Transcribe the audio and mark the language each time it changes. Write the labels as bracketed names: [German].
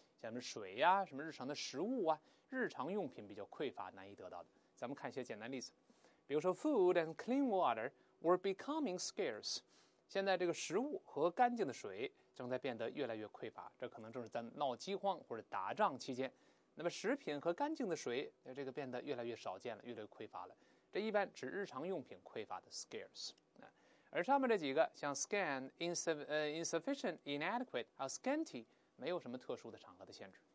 [Chinese] 像什么水呀、什么日常的食物啊，日常用品比较匮乏、难以得到的。咱们看一些简单例子，比如说 [English] ，food and clean water were becoming scarce。 [Chinese] 现在这个食物和干净的水正在变得越来越匮乏，这可能正是在闹饥荒或者打仗期间。那么食品和干净的水，这个变得越来越少见了，越来越匮乏了。这一般指日常用品匮乏的 scarce。而上面这几个像 [English] scant, insufficient, inadequate, or scanty, [Chinese] 没有什么特殊的场合的限制。